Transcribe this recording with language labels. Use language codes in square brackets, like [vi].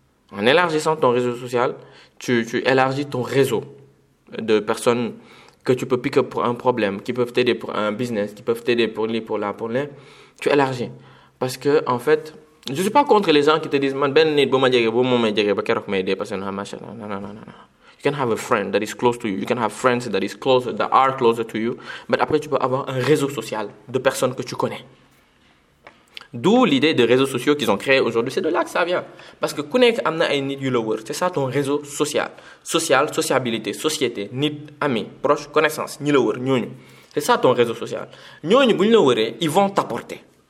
[fr] En élargissant ton réseau social, tu élargis ton réseau de personnes que tu peux pick-up pour un problème, qui peuvent t'aider pour un business, qui peuvent t'aider pour lui, pour là, pour là. Tu élargis. Parce que, en fait, je ne suis pas contre les gens qui te disent « Man, ben, n'est-ce pas, je vais m'aider, je vais m'aider, parce que c'est un machin. » Non, non, non, non. [en] You can have a friend that is close to you. You can have friends that is closer, that are closer to you. [fr] But après, tu peux avoir un réseau social de personnes que tu connais. D'où l'idée de réseaux sociaux qu'ils ont créé aujourd'hui. C'est de là que ça vient. Parce que [wo] connect amna ay nit yu la wër. [fr] C'est ça ton réseau social. Social, sociabilité, société, nit, ami, proche, connaissance, [wo] ñi la wër, ñooñu. [fr] C'est ça ton réseau social. [wo] Ñooñu buñ la wëré, [fr] ils vont t'apporter.